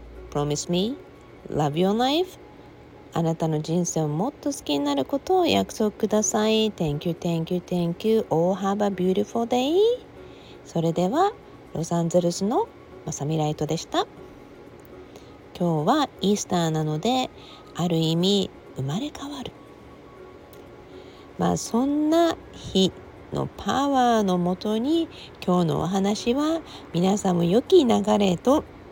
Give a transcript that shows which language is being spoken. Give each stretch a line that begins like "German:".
English: Promise me, love your life.
Japanese: あなたの人生をもっと好きになることを約束ください。
English: Thank you, thank you, thank you. All have a beautiful day.
Japanese: それでは、ロサンゼルスのマサミライトでした。今日はイースターなので、ある意味生まれ変わる。まあそんな日のパワーのもとに、今日のお話は皆さんも良き流れと